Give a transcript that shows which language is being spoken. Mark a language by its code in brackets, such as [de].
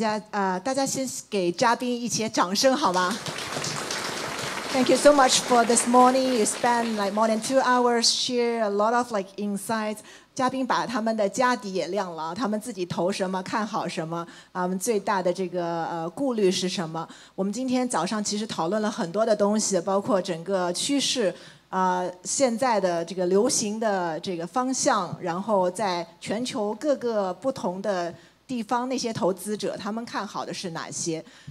[zh] 谢谢大家先给嘉宾一些掌声好吗? [en] Thank you so much for this morning. You spent like more than 2 hours share a lot of like insights. [zh] 嘉宾把他们的家底也亮了，他们自己投什么，看好什么，最大的这个顾虑是什么？我们今天早上其实讨论了很多的东西，包括整个趋势，现在的这个流行的这个方向，然后在全球各个不同的地方那些投资者，他们看好的是哪些？